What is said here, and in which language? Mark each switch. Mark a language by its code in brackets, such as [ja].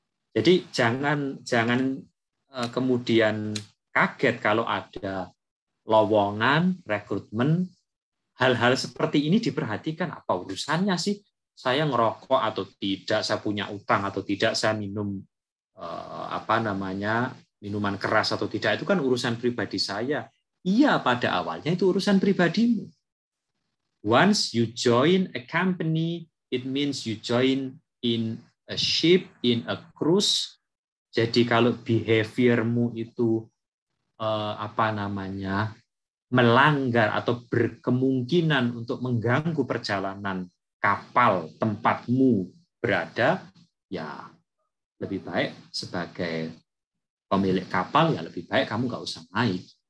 [id] Jadi jangan kemudian kaget kalau ada lowongan, rekrutmen, hal-hal seperti ini diperhatikan, apa urusannya sih saya ngerokok atau tidak, saya punya utang atau tidak, saya minum apa namanya minuman keras atau tidak, itu kan urusan pribadi saya. Iya, pada awalnya itu urusan pribadimu. [en] Once you join a company, it means you join in a ship, in a cruise. [id] Jadi kalau behaviormu itu apa namanya melanggar atau berkemungkinan untuk mengganggu perjalanan kapal tempatmu berada, ya lebih baik sebagai pemilik kapal, ya lebih baik kamu nggak usah naik.